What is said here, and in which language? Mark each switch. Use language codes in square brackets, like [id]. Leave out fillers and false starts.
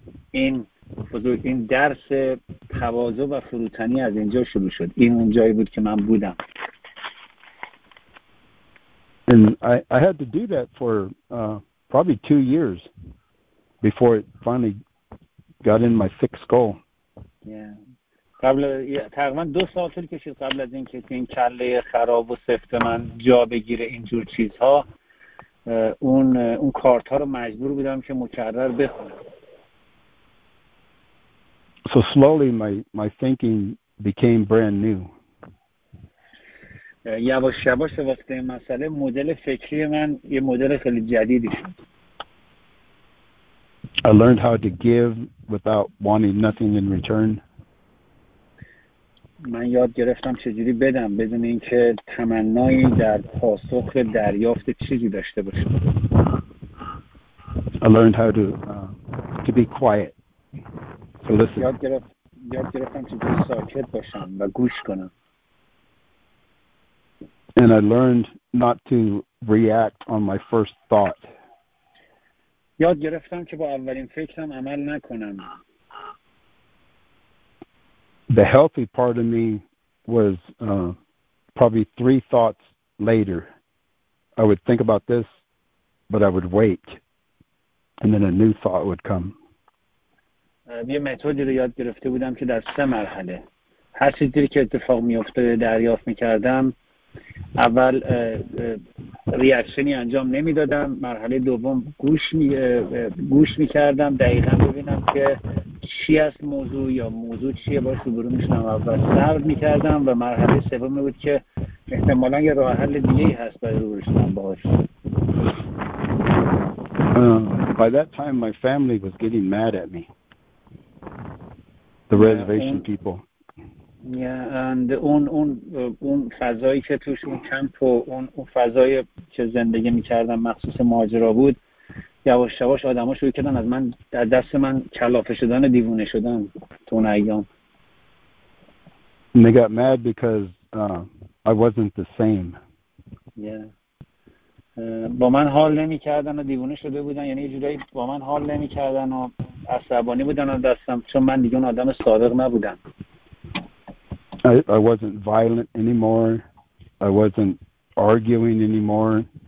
[fa] این بزرگ این درس تواضع و فروتنی از اینجا شروع شد. این اون جایی بود که من بودم. [en] And I had to do that for probably 2 years before it finally got in my thick skull. Yeah. [fa] قبل تقریبا 2 سال طول کشید قبل از اینکه این کله خراب و سفت من جا بگیره اینجور چیزها. اون کارت ها رو مجبور بودم که مکرر بخونم. [en] So slowly my thinking became brand new. [fa] یواش یواش وقتی این مسئله مدل فکری من یه مدل خیلی جدیدی شد. [en] I learned how to give without wanting nothing in return. [fa] من یاد گرفتم چجوری بدم بدون اینکه تمنایی در پاسخ دریافت چیزی داشته باشم. [en] I learned how to be quiet. To listen. [fa] یاد گرفتم چجوری ساکت باشم و گوش کنم. [en] And I learned not to react on my first thought. [fa] یاد گرفتم که با اولین فکرم عمل نکنم. [en] The healthy part of me was probably 3 thoughts later. I would think about this, but I would wait, and then a new thought would come. [fa] یه متدی رو یاد گرفته بودم که در 3 مرحله. هر چیزی که اتفاق می‌افتاد دریافت می‌کردم. اول ریاکشنی انجام نمی‌دادم. مرحله دوم گوش می‌کردم. دقیقاً ببینم که چی هست موضوع یا موضوع چیه باش روبرو میشنم و صبر میکردم و مرحله سوم بود که احتمالا یه راه حل دیگه هست برای روبرو شدن باش. [en] By that time my family was getting mad at me. The reservation people. Yeah, and [fa] اون فضایی که توش اون کمپ و اون فضایی که زندگی میکردم مخصوص ماجرا بود، یواش یواش آدم ها شروع کردن از من در دست من کلافه شدن و دیوونه شدن تو اون ایام. [en] They got mad because I wasn't the same. Yeah. [fa] با من حال نمی کردن و دیوونه شده بودن، یعنی یه جورایی با من حال نمی کردن و عصبانی بودن از دستم چون من دیگه اون آدم صادق نبودم. [en] I wasn't violent anymore. I wasn't arguing anymore.